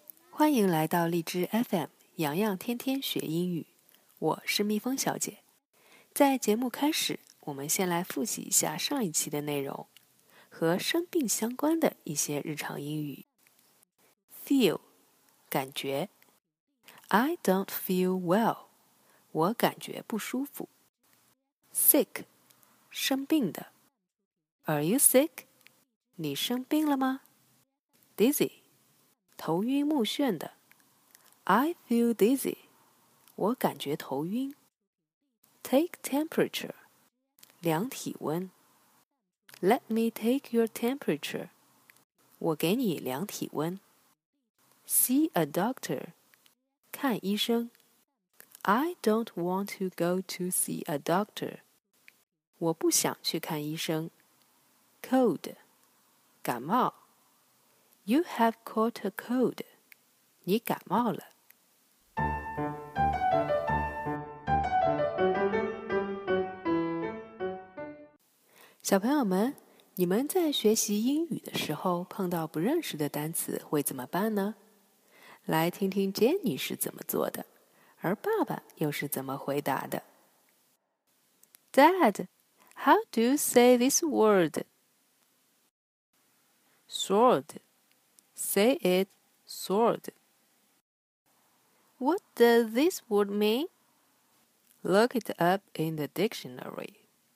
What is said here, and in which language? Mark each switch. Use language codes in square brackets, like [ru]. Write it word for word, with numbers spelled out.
[zh] 欢迎来到荔枝 F M， 洋洋天天学英语，我是蜜蜂小姐。在节目开始，我们先来复习一下上一期的内容，和生病相关的一些日常英语。 Feel， 感觉。 [en] I don't feel well， [zh] 我感觉不舒服。 [en] Sick， [zh] 生病的。 [en] Are you sick？ [zh] 你生病了吗？ Dizzy， 头晕目眩的。 [en] I feel dizzy， [zh] 我感觉头晕。 [en] Take temperature， [zh] 量体温。 [en] Let me take your temperature， [zh] 我给你量体温。 [en] See a doctor， [zh] 看医生。 [en] I don't want to go to see a doctor， [zh] 我不想去看医生。 [en] Cold， [zh] 感冒。 [en] You have caught a cold， [zh] 你感冒了。小朋友们，你们在学习英语的时候碰到不认识的单词会怎么办呢？来听听 Jenny 是怎么做的，而爸爸又是怎么回答的。 [en] Dad, how do you say this word? Sword. Say it, sword. What does this word mean? Look it up in the dictionary.